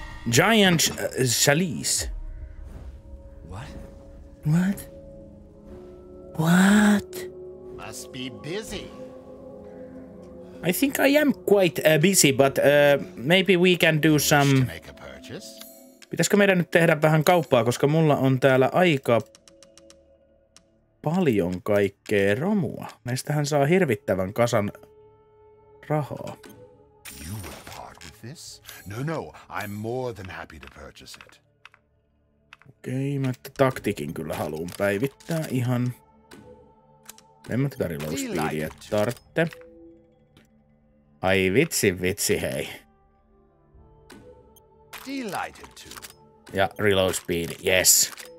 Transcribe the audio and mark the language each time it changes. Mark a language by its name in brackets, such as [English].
[English] Giant chalice. What? What? What? Must be busy. I think I am quite busy, but maybe we can do some... [Finnish] Pitäisikö meidän nyt tehdä vähän kauppaa, koska mulla on täällä aika paljon kaikkea romua. Näistähän saa hirvittävän kasan rahaa. [English] You will part with this? No, no, I'm more than happy to purchase it. [Finnish] Okei, mä taktikin kyllä haluan päivittää ihan. En mä tätä low speedia tartte. Ai vitsi, vitsi, hei. [English] Delighted to. Ja reload speed, yes.